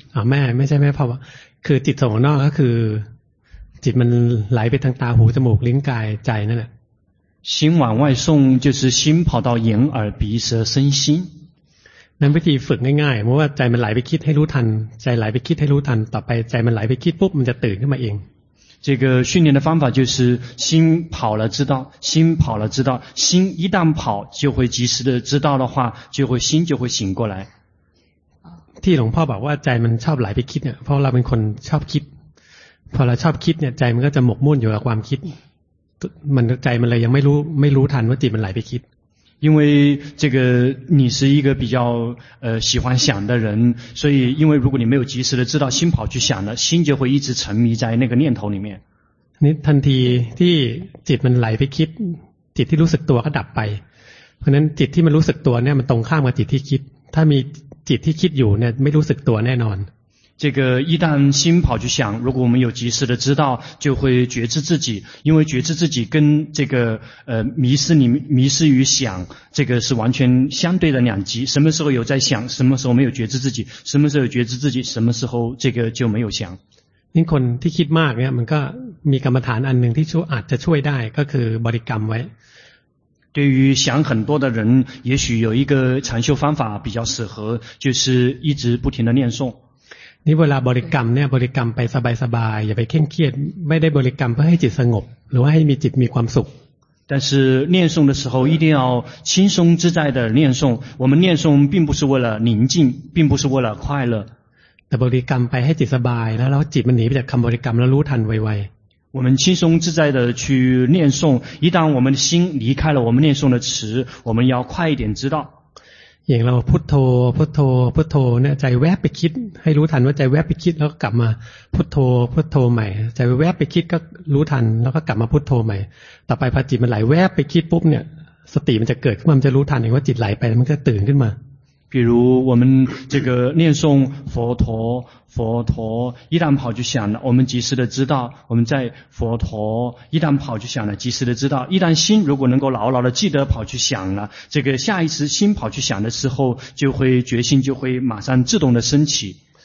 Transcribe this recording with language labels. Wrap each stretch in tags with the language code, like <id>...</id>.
<th>แม่ไม่ใช่แม่ภาวนาคือจิตส่งออกนอกก็คือจิตมันไหลไปทางตาหูจมูกลิ้นกายใจนั่นแหละ</th> <zh>心往外送就是心跑到眼耳鼻舌身心</zh> <th>นั้นวิธีฝึกง่ายๆเพราะว่าใจมันไหลไปคิดให้รู้ทันใจไหลไปคิดให้รู้ทันต่อไปใจมันไหลไปคิดปุ๊บมันจะตื่นขึ้นมาเอง</th> <zh>这个训练的方法就是心跑了知道心跑了知道心一旦跑就会及时的知道的话就会心就会醒过来</zh> <th>ที่หลวงพ่อบอกว่าใจมันชอบไหลไปคิดเนี่ยเพราะเราเป็นคนชอบคิดพอเราชอบคิดเนี่ยใจมันก็จะหมกมุ่นอยู่กับความคิดมันใจมันเลยยังไม่รู้ทันว่าจิตมันไหลไปคิด</th> <zh>因为这个你是一个比较喜欢想的人，所以因为如果你没有及时的知道心跑去想了，心就会一直沉迷在那个念头里面。你</zh> <th>ทันทีที่จิตมันไหลไปคิดจิตที่รู้สึกตัวก็ดับไปเพราะนั้นจิตที่มันรู้สึกตัวเนี่ยมันตรงข้ามกับจิตที่คิดถ้ามีจิตที่คิดอยู่เนี่ยไม่รู้สึกตัวแน่นอน</th> <zh>这个一旦心跑去想，如果我们有及时的知道，就会觉知自己，因为觉知自己跟这个迷失于想，这个是完全相对的两极。什么时候有在想，什么时候没有觉知自己，什么时候有觉知自己，什么时候这个就没有想。</zh> <th>นี่คนที่คิดมากเนี่ยมันก็มีกรรมฐานอันหนึ่งที่ช่วยอาจจะช่วยได้ก็คือบริกรรมไว้</th> <zh>对于想很多的人，也许有一个禅修方法比较适合，就是一直不停的念诵。</zh> <th>นี่เวลาบริกรรมเนี่ยบริกรรมไปสบายๆอย่าไปเคร่งเครียดไม่ได้บริกรรมเพื่อให้จิตสงบหรือว่าให้มีจิตมีความสุข</th> <zh>但是念诵的时候一定要轻松自在的念诵我们念诵并不是为了宁静并不是为了快乐</zh> <th>แต่บริกรรมไปให้จิตสบายแล้วจิตมันหนีไปจากคำบริกรรมแล้วรู้ทันไว</th> <zh>ๆ我们轻松自在的去念诵一旦我们的心离开了我们念诵的词我们要快一点知道</zh> <th>อย่างเราพุทโธพุทโธพุทโธเนี่ยใจแวบไปคิดให้รู้ทันว่าใจแวบไปคิดแล้วก็กลับมาพุทโธพุทโธใหม่ใจแวบไปคิดก็รู้ทันแล้วก็กลับมาพุทโธใหม่ต่อไปพอจิตมันไหลแวบไปคิดปุ๊บเนี่ยสติมันจะเกิดขึ้นมันจะรู้ทันเองว่าจิตไหลไปมันก็ตื่นขึ้นมา</th> <zh>比如我们这个念诵佛陀佛陀一旦跑就想了我们及时的知道我们在佛陀一旦跑就想了及时的知道一旦心如果能够牢牢的记得跑去想了这个下一次心跑去想的时候就会决心就会马上自动的升起</zh>